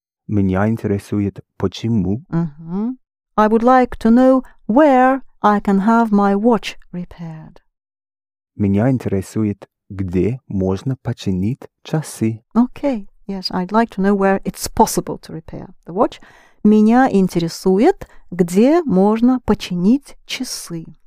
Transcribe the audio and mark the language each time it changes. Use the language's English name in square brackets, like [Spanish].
[Russian] Меня интересует почему. Mm-hmm. [English] I would like to know where I can have my watch repaired. [Russian] Меня интересует где можно починить часы. [English] Okay, yes, I'd like to know where it's possible to repair the watch. [Russian] Меня интересует, где можно починить часы.